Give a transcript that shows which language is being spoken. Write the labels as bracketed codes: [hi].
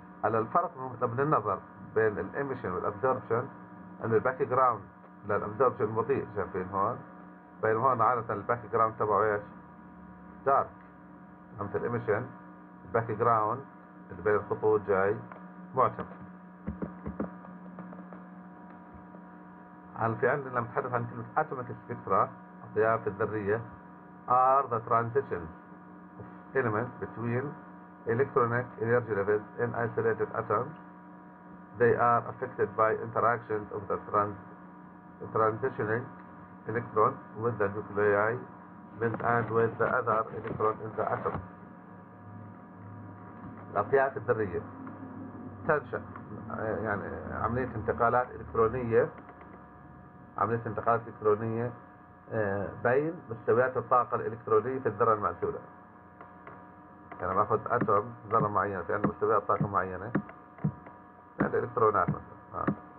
[ar] على الفرق من النظر بين الايميشن والابزوربشن ان الباك جراوند للابزوربشن بطيء، شايفين هون، بينما هون عاده الباك جراوند تبعه ايش؟ دارك. مثل الايميشن الباك جراوند اللي بين الخطوط جاي معتمد. هل في عندنا لما نتحدث عن كلمة [en] atomic spectra [ar] الأطياف الذرية [en] are the transitions of elements between electronic energy levels in isolated atoms. They are affected by interactions of the transitioning electron with the nuclei and with the other electron in the atom. [ar] الأطياف الذرية تنشأ، يعني عملية انتقالات إلكترونية، عملية انتقالات إلكترونية بين مستويات الطاقة الإلكترونية في الذرة المعزولة. يعني ما أخذ أتوم ذرة معينة في عندنا مستويات طاقة معينة، في عندنا إلكترونات مثلا.